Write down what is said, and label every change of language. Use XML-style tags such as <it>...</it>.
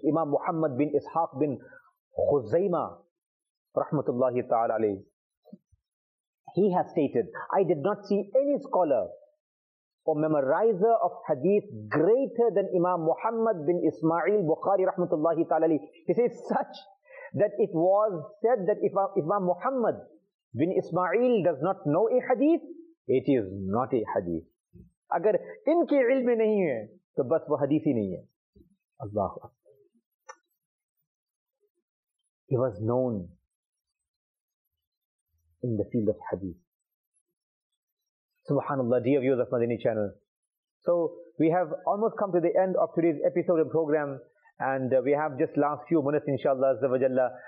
<en>Imam Muhammad bin Ishaq bin Khuzaimah, rahmatullahi ta'ala alayhi, he has stated, I did not see any scholar or memorizer of hadith greater than Imam Muhammad bin Ismail Bukhari, rahmatullahi ta'ala alayhi. He says such that it was said that if Imam Muhammad bin Ismail does not know a hadith, it is not a hadith.</en> <ur>اگر ان کے علم میں نہیں ہے تو بس وہ حدیث ہی نہیں ہے.</ur> <en>اللہ اکبر. He was known in the field of hadith. Subhanallah, dear viewers of Madani channel. So we have almost come to the end of today's episode of program, and we have just last few minutes, inshallah azza wa jalla.</en>